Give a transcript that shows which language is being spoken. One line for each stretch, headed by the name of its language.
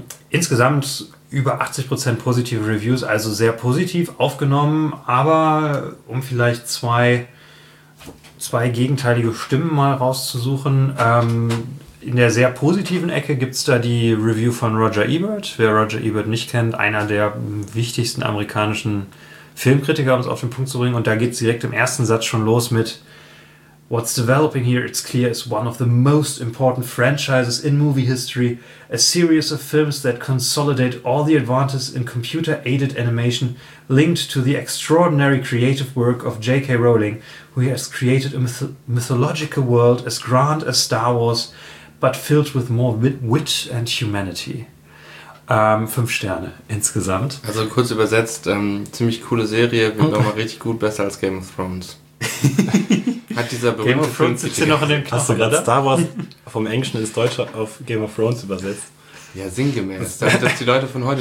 German: Insgesamt über 80% positive Reviews, also sehr positiv aufgenommen, aber um vielleicht zwei gegenteilige Stimmen mal rauszusuchen, in der sehr positiven Ecke gibt es da die Review von Roger Ebert. Wer Roger Ebert nicht kennt, einer der wichtigsten amerikanischen Filmkritiker, um es auf den Punkt zu bringen, und da geht es direkt im ersten Satz schon los mit:
English: What's developing here, it's clear, is one of the most important franchises in movie history. A series of films that consolidate all the advances in computer-aided animation linked to the extraordinary creative work of J.K. Rowling, who has created a mythological world as grand as Star Wars, but filled with more wit and humanity.
German: 5 Sterne insgesamt. Also kurz übersetzt, ziemlich coole Serie, wird nochmal richtig gut, besser als Game of Thrones. Hat dieser berühmte Game of Thrones sitzt hier noch in dem Knochen, hast du gerade Star Wars vom Englischen ins Deutsche auf Game of Thrones übersetzt? Ja, sinngemäß, damit das die Leute von heute